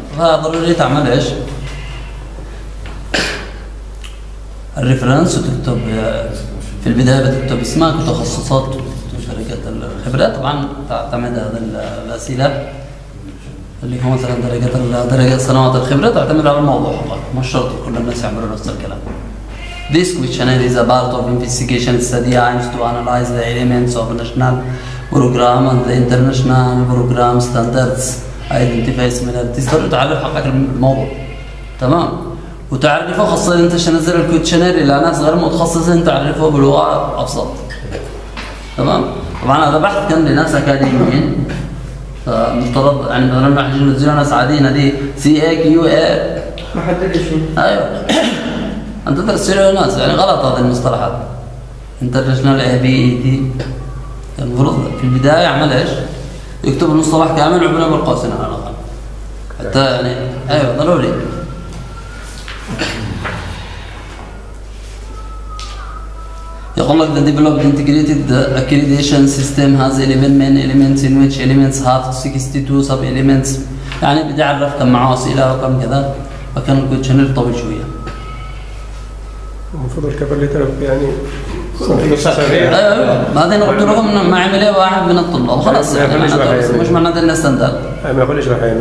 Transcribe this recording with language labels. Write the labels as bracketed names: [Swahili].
[Arabic] فضروري تعمل إيش؟ الريفرنس وتكتب في البدايه بتكتب اسمك وتخصصات وشركات الخبره. طبعا تعتمد هذه الاسئله اللي هو مثلا درجات سنوات الخبره تعتمد على الموضوع. مش شرط كل الناس يعملوا نفس الكلام. [English] This questionnaire is a part of investigation study aims to analyze the elements of national program and the international program standards identify similarities. [Arabic] ضروري تعرف حقك الموضوع. تمام؟ وتعرفه خاصة انت عشان تنزل الكوتشنير الى ناس غير متخصصين تعرفه بلغة ابسط. تمام؟ طبعا هذا بحث كان لناس اكاديميين فمفترض يعني مثلا راح ينزلوا ناس عاديين هذه سي اي كيو اي ما حد ادري شو ايوه انت ترسلوا ناس يعني غلط هذه المصطلحات انترناشونال اي بي اي دي المفروض في البداية يعمل ايش؟ يكتب المصطلح كامل عبنا بالقوسين على الاقل حتى يعني ايوه ضروري. يقول لك [English] the developed integrated accreditation system has 11 main elements in which elements have 62 sub elements. [Arabic] يعني بدي اعرف كم معه اسئله وكم كذا وكان الكوتشنير طويل شويه. المفروض الكفر ليتر يعني سريع. ايوه بعدين قلت لهم انه ما عمله واحد من الطلاب خلاص مش معناته انه ستاندرد. ما يقولش راح يعمل.